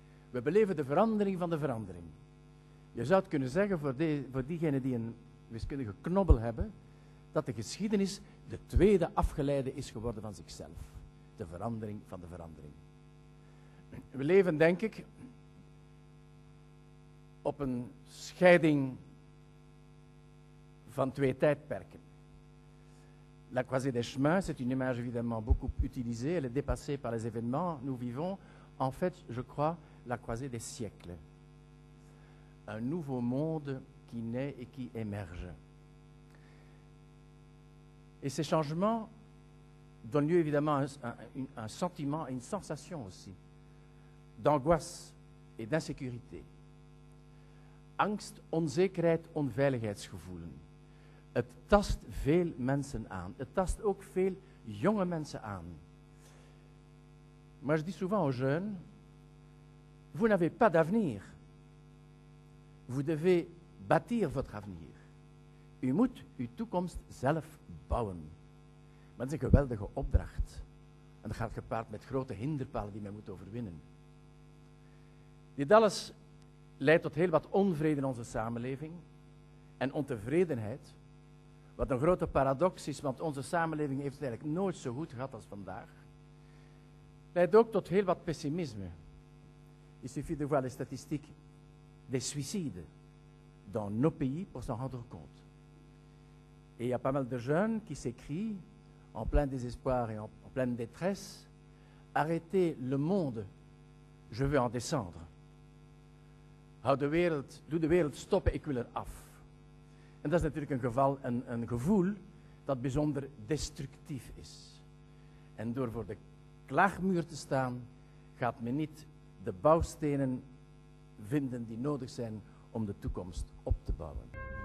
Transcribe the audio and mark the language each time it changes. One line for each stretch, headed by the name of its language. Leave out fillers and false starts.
Dutch: We beleven de verandering van de verandering. Je zou het kunnen zeggen voor diegenen die een wiskundige knobbel hebben, dat de geschiedenis de tweede afgeleide is geworden van zichzelf. De verandering van de verandering. We leven, denk ik, op een scheiding van twee tijdperken.
French: La croisée des chemins, c'est une image évidemment beaucoup utilisée, elle est dépassée par les événements. Nous vivons, en fait, je crois, la croisée des siècles. Un nouveau monde qui naît et qui émerge. Et ces changements donnent lieu évidemment à un sentiment, une sensation aussi, d'angoisse et d'insécurité.
Dutch: Angst, onzekerheid, onveiligheidsgevoelens. Het tast veel mensen aan. Het tast ook veel jonge mensen aan. Maar
French: je dis souvent aux jeunes, vous n'avez pas d'avenir. Vous devez bâtir votre avenir.
Dutch: U moet uw toekomst zelf bouwen. Maar dat is een geweldige opdracht. En dat gaat gepaard met grote hinderpalen die men moet overwinnen. Dit alles leidt tot heel wat onvrede in onze samenleving en ontevredenheid. Wat een grote paradox is, want onze samenleving heeft het eigenlijk nooit zo goed gehad als vandaag. Leidt ook tot heel wat pessimisme.
French: Il suffit de voir les statistiques des suicides dans nos pays pour s'en rendre compte. Et il y a pas mal de jeunes qui s'écrient en plein désespoir et en pleine détresse, arrêtez le monde, je veux en descendre.
Dutch: Doe de wereld stoppen, ik wil er af. En dat is natuurlijk een geval, een gevoel dat bijzonder destructief is. En door voor de klaagmuur te staan, gaat men niet de bouwstenen vinden die nodig zijn om de toekomst op te bouwen.